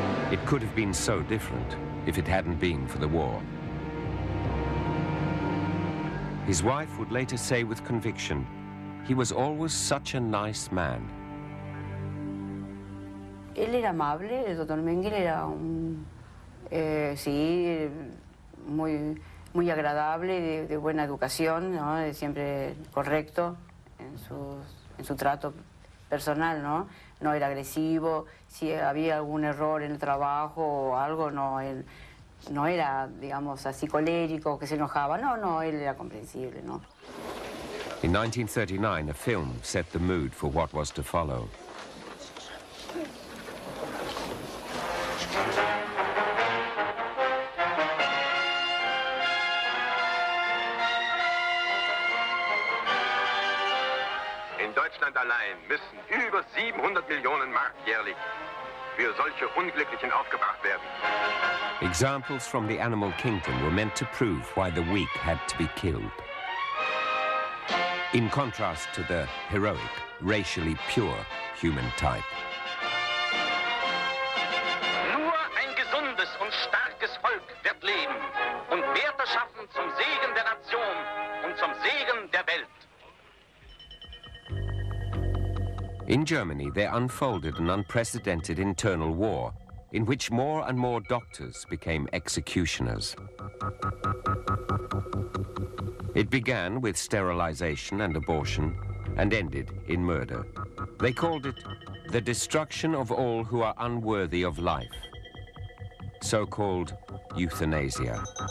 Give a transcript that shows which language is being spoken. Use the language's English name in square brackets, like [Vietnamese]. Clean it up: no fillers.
[English] It could have been so different if it hadn't been for the war. His wife would later say with conviction, he was always such a nice man. [Spanish] Él era amable, el doctor Mengele era un, sí, muy, muy agradable, de buena educación, ¿no? De siempre correcto en su trato personal, ¿no? No era agresivo, si había algún error en el trabajo o algo, no, él no era, digamos, así colérico, que se enojaba, no, él era comprensible, ¿no? [English] In 1939, a film set the mood for what was to follow. [German] In Deutschland allein müssen über 700 Millionen Mark jährlich für solche Unglücklichen aufgebracht werden. [English] Examples from the animal kingdom were meant to prove why the weak had to be killed. In contrast to the heroic, racially pure human type. [German] Nur ein gesundes und starkes Volk wird leben und Werte schaffen zum Segen der Nation und zum Segen der Welt. [English] In Germany, there unfolded an unprecedented internal war in which more and more doctors became executioners. It began with sterilization and abortion and ended in murder. They called it the destruction of all who are unworthy of life, so-called euthanasia.